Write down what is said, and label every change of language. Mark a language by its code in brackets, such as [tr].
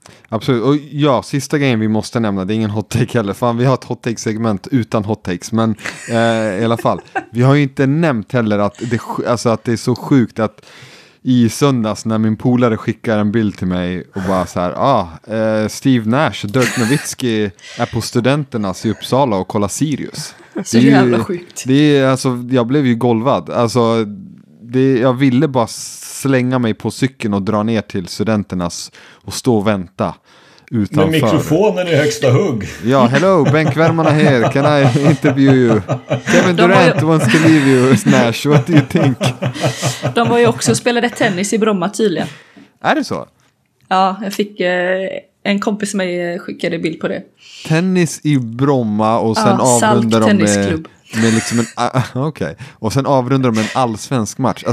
[sv] Absolut, och ja, sista grejen vi måste nämna, det är ingen hot take heller, fan, vi har ett hot take-segment utan hot takes, men i alla fall, vi har ju inte nämnt heller att det är så sjukt att i söndags när min polare skickar en bild till mig och bara så här: Steve Nash, Dirk Nowitzki är på Studenternas i Uppsala och kollar Sirius. Så det är ju jävla sjukt. Det är, alltså, jag blev ju golvad, alltså, jag ville bara slänga mig på cykeln och dra ner till Studenternas och stå och vänta utanför. Med mikrofonen i högsta hugg. Ja, hello, bänkvärmarna här. [en] Can I interview you? Kevin Durant wants to leave you, Nash. What do you think? [sv] De var ju också spelade tennis i Bromma tydligen. Är det så? Ja, jag fick en kompis som jag skickade bild på det. Tennis i Bromma och sen avrundar de med... Men liksom okay. Och sen avrundar de en allsvensk match.